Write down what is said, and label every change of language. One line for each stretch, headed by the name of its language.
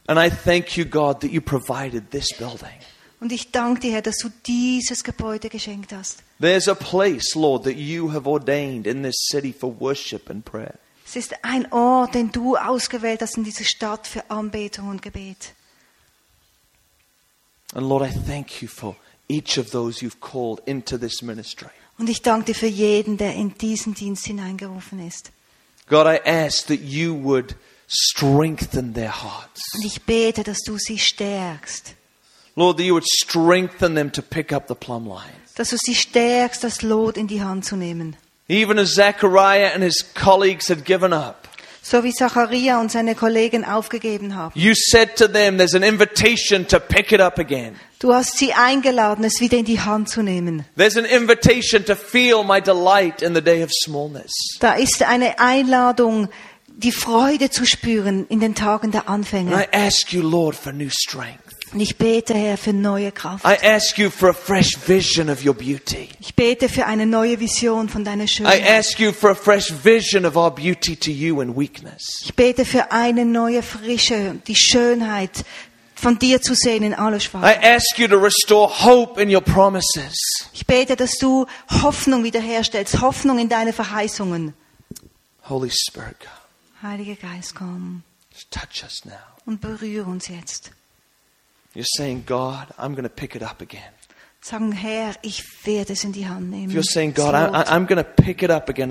English: And I thank you, God, that you provided this building.
German: Und ich danke dir, Herr, dass du dieses Gebäude geschenkt hast.
English: There's a place, Lord, that you have ordained in this city for worship and prayer.
German: Es ist ein Ort, den du ausgewählt hast in dieser Stadt für Anbetung und Gebet.
English: And Lord, I thank you for each of those you've called into this ministry.
German: Und ich danke dir für jeden, der in diesen Dienst hineingerufen ist.
English: God, I ask that you would strengthen their hearts.
German: Und ich bete, dass du sie stärkst.
English: Lord, that you would strengthen them to pick up the plumb line.
German: Dass du sie stärkst, das Lot in die Hand zu nehmen.
English: Even as Zechariah and his colleagues had given up.
German: So wie Zachariah und seine Kollegen aufgegeben haben.
English: You said to them, there's an invitation to pick it up again.
German: Du hast sie eingeladen, es wieder in die Hand zu nehmen.
English: There's an invitation to feel my delight in the day of smallness.
German: Da ist eine Einladung, die Freude zu spüren in den Tagen der Anfänge.
English: I ask you, Lord, for new strength.
German: Und ich bete, Herr, für neue Kraft.
English: I ask you for a fresh vision of your beauty.
German: Ich bete für eine neue Vision von deiner Schönheit.
English: I ask you for a fresh vision of our beauty to you in weakness.
German: Ich bete für eine neue Frische, die Schönheit von dir zu sehen in aller Schwachheit.
English: I ask you to restore hope in your promises.
German: Ich bete, dass du Hoffnung wiederherstellst, Hoffnung in deine Verheißungen.
English: Holy Spirit, come.
German: Heiliger Geist, komm.
English: Touch us now.
German: Und berühre uns jetzt.
English: You're saying, God, I'm going to pick it up again.
German: Sagen, Herr, ich werde es in die Hand nehmen.
English: You're saying, God, I'm going to pick it up again.